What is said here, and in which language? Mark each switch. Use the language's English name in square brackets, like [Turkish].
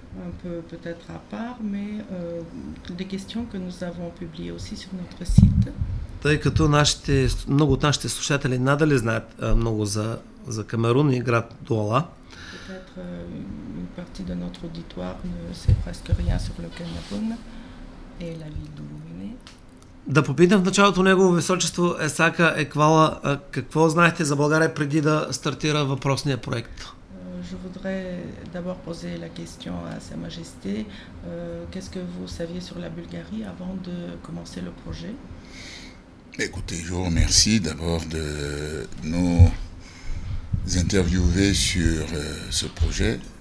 [French] Un peu peut-être à part, mais des questions que nous avons publiées aussi sur notre site. [Bulgarian] Тъй като нашите, много от нашите слушатели надали знаят много за Камерун и град Дуала. [French] Peut-être une partie de notre auditoire ne sait presque rien sur le Cameroun et la ville d'où vous venez. [Bulgarian] Да попитам в началото негово височество Есака Еквала, какво знаете за България преди да стартира въпросния проект? [French] Je voudrais d'abord poser la question à Sa Majesté. Qu'est-ce que vous saviez sur la Bulgarie avant de commencer le projet? Écoutez, je vous remercie d'abord de nous interviewer sur ce projet.